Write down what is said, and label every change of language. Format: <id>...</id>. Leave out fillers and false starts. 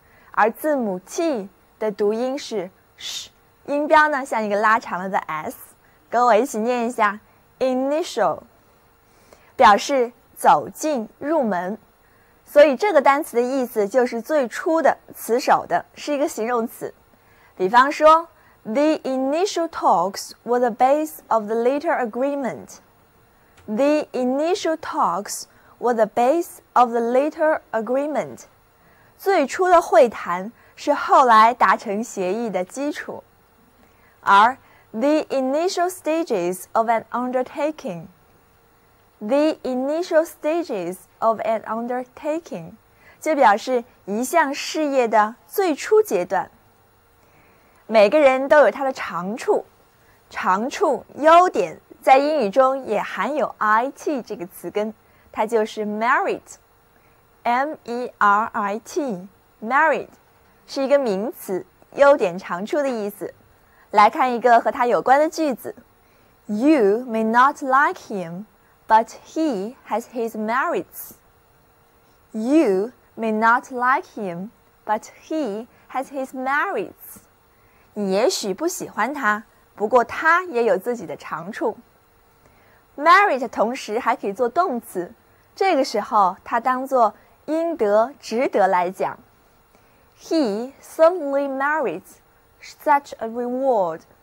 <zh>而字母 T 的读音是 sh， 音标呢像一个拉长了的 S， 跟我一起念一下 initial， 表示走进、入门。所以这个单词的意思就是最初的、词首的，是一个形容词。比方说</zh> <en>The initial talks were the base of the later agreementThe initial talks were the base of the later agreement.</en> <zh>最初的会谈是后来达成协议的基础。</zh> <en>而 The initial stages of an undertaking The initial stages of an undertaking</en> <zh>就表示一项事业的最初阶段。每个人都有他的长处，长处、优点在英语中也含有 IT 这个词根，它就是 merit。 M-E-R-I-T Merit 是一个名词，优点、长处的意思。来看一个和他有关的句子。</zh> <en>You may not like him, but he has his merits. You may not like him, but he has his merits.</en> <zh>你也许不喜欢他，不过他也有自己的长处。 Merit 同时还可以做动词，这个时候它当作应得、值得来讲。</zh> <en>He certainly merits such a reward.</en>